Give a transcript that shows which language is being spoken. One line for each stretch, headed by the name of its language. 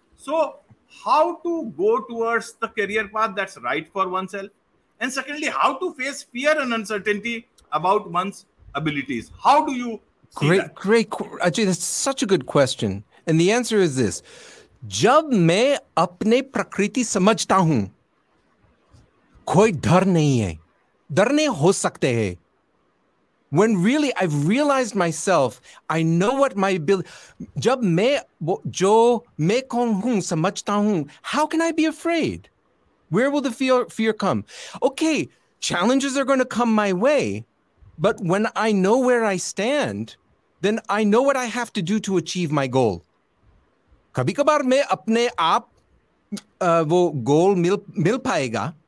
English: So how to go towards the career path that's right for one self and secondly how to face fear and uncertainty about one's abilities. How do you great great actually that's such a good question and the answer is this.
Hindi: जब मैं अपने प्रकृति समझता हूं, कोई डर नहीं है, डर नहीं हो सकते है.
English: When really I've realized myself, I know what my ability,
Hindi: जब मैं जो मैं कौन हूं समझता हूं,
English: how can I be afraid? Where will the fear come? Okay, challenges are going to come my way, but when I know where I stand, then I know what I have to do to achieve my goal.
Hindi: कभी कभार मैं अपने आप वो गोल मिल पाएगा.